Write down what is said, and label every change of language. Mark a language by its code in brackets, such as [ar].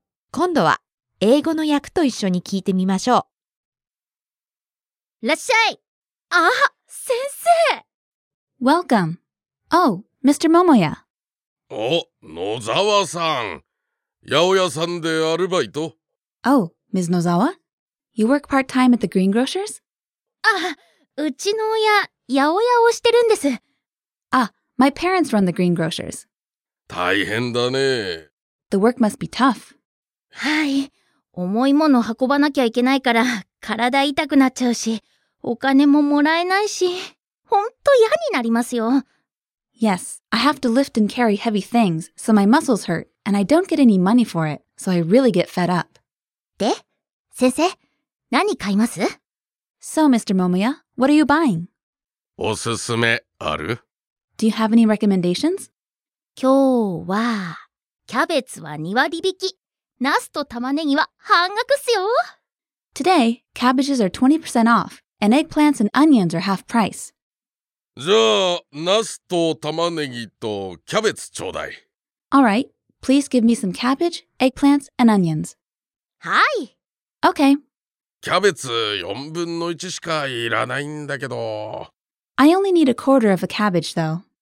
[ja] 今度は英語の訳と一緒に聞いてみましょう。いらっしゃい。あ、先生。 [en] Welcome. Oh, Mr. Momoya. [ja] お、野沢さん。八百屋さんでアルバイト？ [en] Oh, Ms. Nozawa? You work part-time at the greengrocers? [ja] あ、うちの親、八百屋をしてるんです。 [en] あ、My parents run the greengrocers. [ja] 大変だね。 [en] The work must be tough. [ja] はい。重いもの運ばなきゃいけないから、体痛くなっちゃうし、お金ももらえないし、ほんと嫌になりますよ。 [en] Yes, I have to lift and carry heavy things, so my muscles hurt, and I don't get any money for it, so I really get fed up. [ja] で、先生、何買います？ [en] So, Mr. Momoya, what are you buying? [ja] おすすめある？ [en] Do you have any recommendations? [ja] 今日は、キャベツは2割引き、ナスと玉ねぎは半額っすよ。 [en] Today, cabbages are 20% off, and eggplants and onions are half price. [ja] じゃあ、ナスと玉ねぎとキャベツちょうだい。 [en] Alright, please give me some cabbage, eggplants, and onions. [ja] はい。 [en] Okay. [ja] キャベツ4分の1しかいらないんだけど。 [en] I only need a quarter of a cabbage, though.